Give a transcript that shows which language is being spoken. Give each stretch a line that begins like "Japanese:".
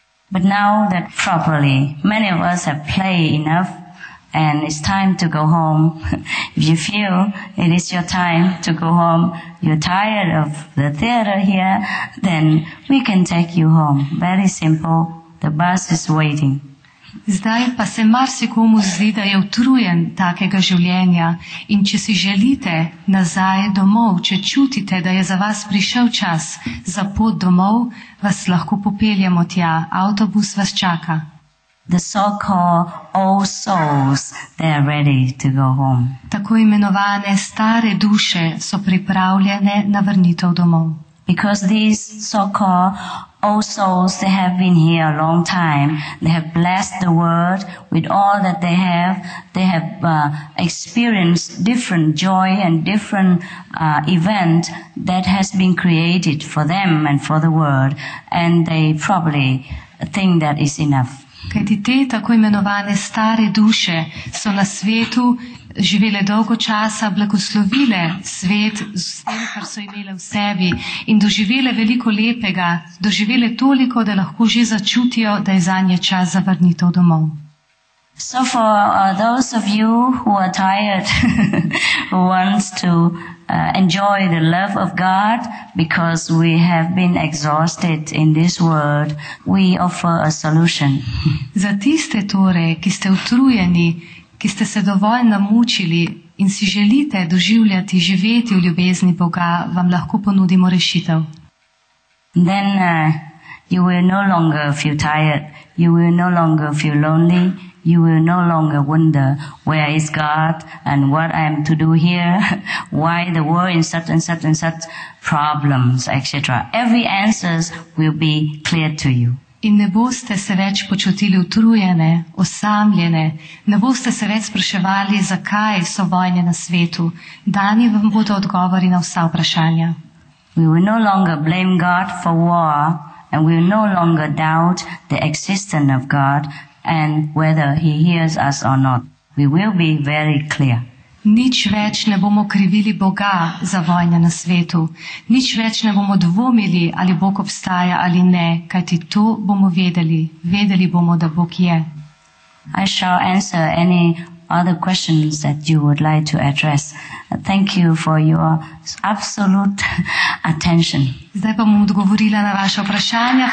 English: But now that properly, many of us have played enough and it's time to go home. If you feel it is your time to go home, you're tired of the theater here, then we can take you home. Very simple, the bus is waiting.
Slovenian: Zdaj pa se marsikomu zdi, da je utrujen takega življenja in če si želite nazaj domov, če čutite, da je za vas prišel čas za pot domov, vas lahko popeljemo tja, avtobus vas čaka.
English: The so-called old souls, they are ready to go home.
Slovenian: Tako imenovane stare duše so pripravljene na vrnitev domov.
English: Because these so-called old souls, they have been here a long time. They have blessed the world with all that they have. They have experienced different joy and different event that has been created for them and for the world. And they probably think that is enough.
Slovenian: Kajti te tako imenovane stare duše so na svetu živele dolgo časa, blagoslovile svet s tem, kar so imele v sebi in doživele veliko lepega, doživele toliko, da lahko že začutijo, da je zanje čas za vrnitev domov.
English: So for those of you who are tired, who wants to enjoy the love of God, because we have been exhausted in this world, we offer a solution.
Slovenian: Za tiste torej, ki ste utrujeni, ki ste se dovolj namučili in si želite doživljati, živeti v ljubezni Boga, vam lahko ponudimo rešitev.
English: Then you will no longer feel tired, you will no longer feel lonely, you will no longer wonder where is God and what I am to do here, why the world in such and such and such problems, etc. Every answers will be clear to you.
Slovenian: In ne boste se več počutili utrujene, osamljene, ne boste se več spraševali, zakaj so vojne na svetu. Dani vam bodo odgovori na vsa vprašanja. We will no longer blame God for war and we will no longer doubt the existence of God and whether he hears us or not. We will be very clear. Nič več ne bomo krivili Boga za vojne na svetu. Nič več ne bomo dvomili, ali Bog obstaja ali ne, kajti to bomo vedeli. Vedeli bomo, da Bog je.
English: I shall answer any other questions that you would like to address. Thank you for your absolute attention.
Slovenian: Zdaj pa bom odgovorila na vaše vprašanje.